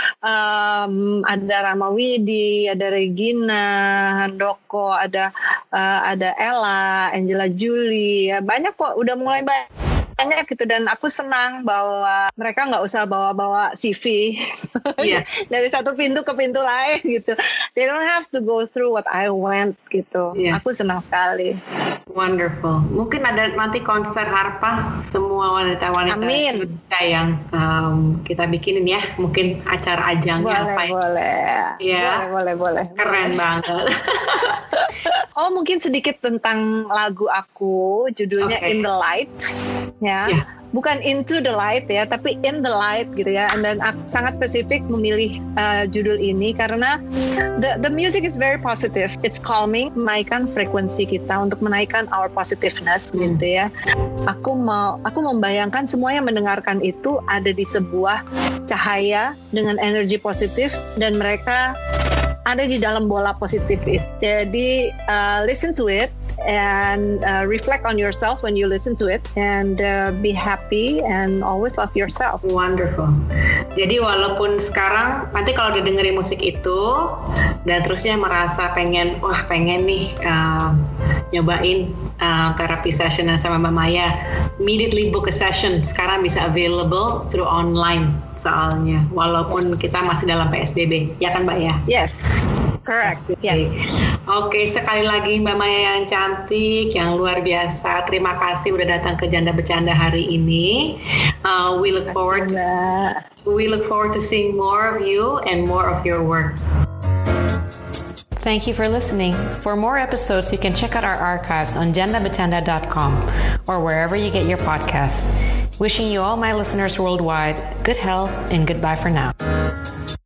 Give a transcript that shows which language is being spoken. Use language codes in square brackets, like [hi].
[id] Ada Rama Widi, ada Regina Handoko, ada Ella, Angela Julie. Ya, banyak kok udah mulai banyak. banyak gitu, dan aku senang bahwa mereka nggak usah bawa-bawa CV dari satu pintu ke pintu lain gitu. [en] They don't have to go through what I went gitu. [id] Yeah. Aku senang sekali. Wonderful. Mungkin ada nanti konser Harpa semua wanita-wanita Indonesia yang kita bikinin ya, mungkin acara ajangnya boleh, apa ya? Boleh. Keren banget. Oh, mungkin sedikit tentang lagu aku, judulnya In the Light, ya. Bukan Into the Light ya, tapi In the Light gitu ya. Dan aku sangat spesifik memilih judul ini karena [en] the music is very positive. It's calming, [id] menaikkan frekuensi kita untuk menaikkan [en] our positiveness [id] gitu ya. Aku membayangkan semua yang mendengarkan itu ada di sebuah cahaya dengan energi positif, dan mereka ada di dalam bola positif itu. Jadi [en] listen to it and reflect on yourself when you listen to it, and be happy and always love yourself. [id] Wonderful. Jadi walaupun sekarang nanti kalau udah dengerin musik itu dan terusnya merasa pengen, wah pengen nih nyobain terapi session sama Mbak Maya, [en] immediately book a session. [id] Sekarang bisa [en] available through online [id] soalnya, walaupun kita masih dalam PSBB, ya kan Mbak ya? [en] Yes. Correct. Yeah. [id] Oke, sekali lagi Mbak Maya yang cantik, yang luar biasa. Terima kasih udah datang ke Janda Bercanda hari ini. [en] We look forward to seeing more of you and more of your work. Thank you for listening. For more episodes, you can check out our archives on jandabercanda.com or wherever you get your podcasts. Wishing you all my listeners worldwide good health and goodbye for now.